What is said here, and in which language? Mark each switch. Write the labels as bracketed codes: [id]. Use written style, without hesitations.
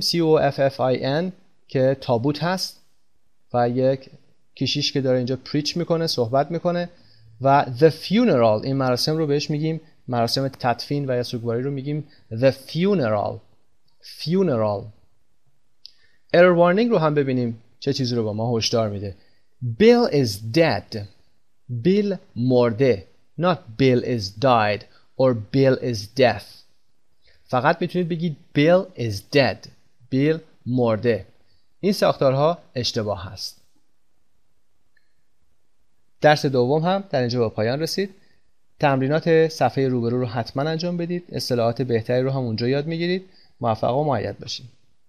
[fa] C-O-F-F-I-N که تابوت هست و یک کشیش که داره اینجا پریچ میکنه، صحبت میکنه. و The funeral، این مراسم رو بهش میگیم، مراسم تدفین و یا سوگواری رو میگیم The funeral. [en] Funeral. [fa] Error warning رو هم ببینیم چه چیزی رو با ما هشدار میده. [en] Bill is dead. Bill مرده. Not Bill is died or Bill is death. [fa] فقط میتونید بگید [en] Bill is dead. [fa] Bill مرده. این ساختارها اشتباه هست. درس دوم هم در اینجا به پایان رسید. تمرینات صفحه روبرو رو حتما انجام بدید. اصطلاحات بهتری رو هم اونجا یاد میگیرید. موفق و معید باشید.